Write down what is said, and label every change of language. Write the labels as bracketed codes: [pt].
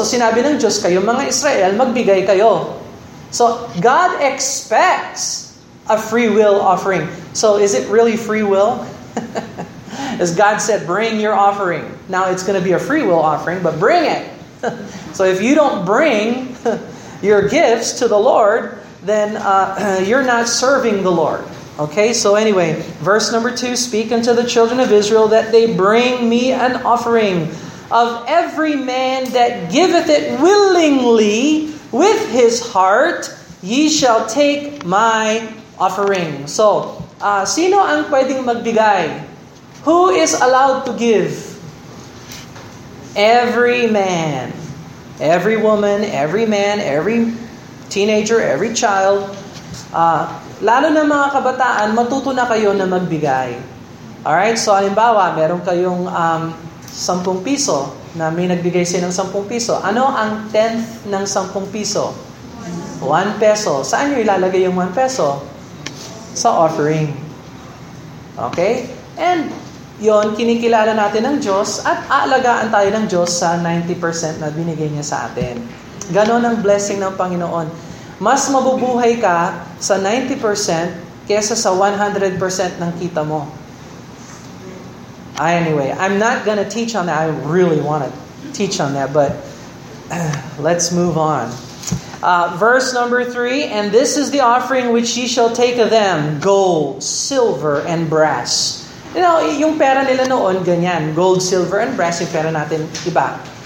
[tl] So sinabi ng Diyos, kayo mga Israel, magbigay kayo. [en] So, God expects a free will offering. So, is it really free will? As God said, bring your offering. Now, it's going to be a free will offering, but bring it. So, if you don't bring your gifts to the Lord, then you're not serving the Lord. Okay, so anyway, verse number 2, speak unto the children of Israel that they bring me an offering of every man that giveth it willingly with his heart, ye shall take my offering. [tl] So, sino ang pwedeng magbigay? [en] Who is allowed to give? Every man, every woman, every man, every teenager, every child. [tl] Lalo na mga kabataan, matuto na kayo na magbigay. Alright? So, halimbawa, meron kayong 10 piso na may nagbigay sa'yo ng 10 piso. Ano ang 10th ng 10 piso? 1 peso. Saan nyo ilalagay yung 1 peso? Sa offering. Okay? And yon kinikilala natin ng Diyos at aalagaan tayo ng Diyos sa 90% na binigay niya sa atin. Ganon ang blessing ng Panginoon. Mas mabubuhay ka sa 90% kesa sa 100% ng kita mo. [en] Anyway, I'm not gonna teach on that. I really want to teach on that, but let's move on. Verse number 3, and this is the offering which ye shall take of them, gold, silver, and brass. [tl] You know, yung pera nila noon, ganyan, gold, silver, and brass, yung pera natin iba.